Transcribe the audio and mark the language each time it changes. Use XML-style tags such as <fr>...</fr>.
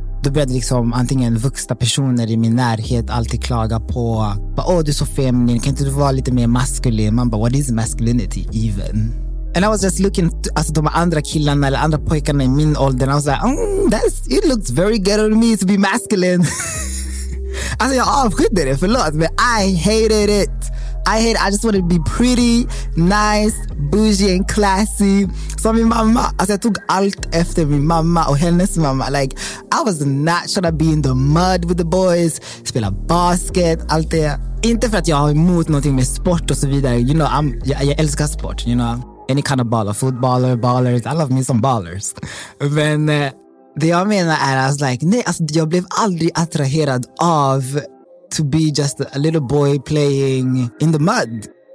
<sv>Då började liksom antingen vuxna personer i min närhet alltid klaga på, åh, du är så feminin, kan inte du vara lite mer maskulin? Man bara,</sv> <en>what is masculinity even? And I was just looking to,</en> <sv>alltså de andra killarna eller andra pojkarna i min ålder,</sv> <en>I was like, that's, it looks very good on me to be masculine.</en> <sv>Alltså jag avskydde det, förlåt, men</sv> <en>I hated it. I just wanted to be pretty, nice, bougie and classy.</en> <sv>Så min mamma, alltså jag tog allt efter min mamma och hennes mamma.</sv> <en>Like, I was not trying to be in the mud with the boys,</en> <sv>spela basket, allt det. Inte för att jag har emot någonting med sport och så vidare.</sv> <en>You know,</en> <sv>jag älskar sport, you know.</sv> <en>Any kind of baller, footballer, ballers, I love me some ballers.</en> <sv>Men det jag menar är,</sv> <en>I was like,</en> <sv>nej, alltså jag blev aldrig attraherad av</sv> <en>to be just a little boy playing in the mud.</en>